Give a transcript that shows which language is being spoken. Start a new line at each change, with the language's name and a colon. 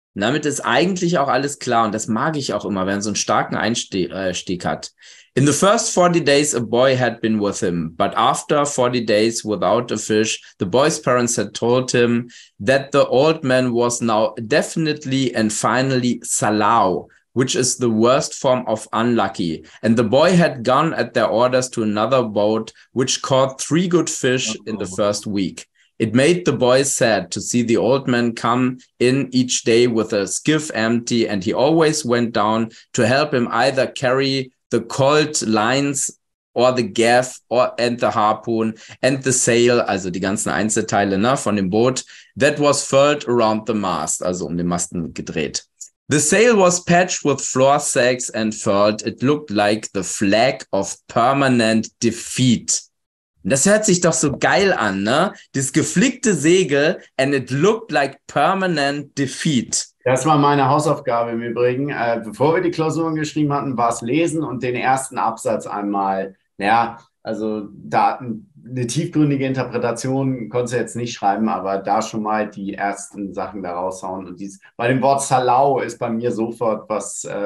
German: Damit ist eigentlich auch alles klar und das mag ich auch immer, wenn so einen starken Einstieg hat.
English: In the first 40 days a boy had been with him, but after 40 days without a fish, the boy's parents had told him that the old man was now definitely and finally salau, which is the worst form of unlucky. And the boy had gone at their orders to another boat, which caught 3 good fish in the first week. It made the boy sad to see the old man come in each day with a skiff empty, and he always went down to help him either carry the cold lines or the gaff or and the harpoon and the sail,
German: also die ganzen Einzelteile, ne, von dem Boot,
English: that was furled around the mast,
German: also um den Masten gedreht.
English: The sail was patched with floor sacks and furled. It looked like the flag of permanent defeat.
German: Das hört sich doch so geil an, ne? Das geflickte Segel
English: and it looked like permanent defeat.
German: Das war meine Hausaufgabe im Übrigen. Bevor wir die Klausuren geschrieben hatten, war es lesen und den ersten Absatz einmal, ja, also da eine tiefgründige Interpretation konntest du jetzt nicht schreiben, aber da schon mal die ersten Sachen da raushauen. Und dies, bei dem Wort Salau ist bei mir sofort was.